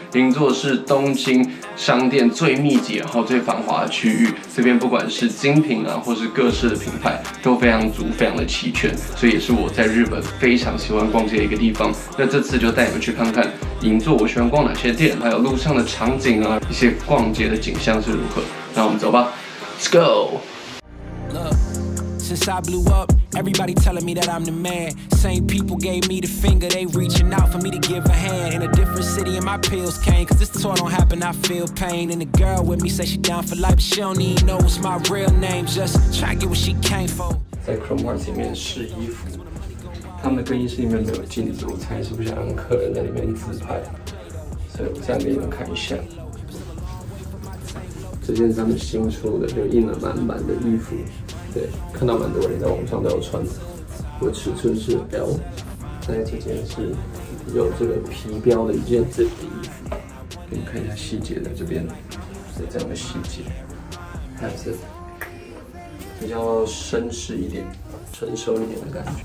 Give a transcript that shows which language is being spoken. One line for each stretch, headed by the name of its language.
Chinese: 银座是东京商店最密集然后最繁华的区域，这边不管是精品啊，或是各式的品牌都非常足，非常的齐全，所以也是我在日本非常喜欢逛街的一个地方。那这次就带你们去看看银座我喜欢逛哪些店，还有路上的场景啊，一些逛街的景象是如何。那我们走吧 ，
English: Let's go。 Since I blew up, everybody telling me that I'm the man. Same people gave me the finger, they reaching out for me to give a hand. In a different city and my pills came, cause this tour don't happen, I feel pain. And the girl with me say she down for life, she don't even know what's my real name. Just try to get what she came for.
Chinese: 在 Chromart 里面试衣服，他们的更衣室里面没有镜子，我猜是不想让客人在里面自拍，所以我再给你们看一下。这件是他们新出的，就印了满满的衣服。对，看到蛮多人在网上都有穿的，我尺寸是 L， 但这件是有这个皮标的一件这个衣服，给你看一下细节的这边，这样的细节，还有这比较绅士一点、成熟一点的感觉。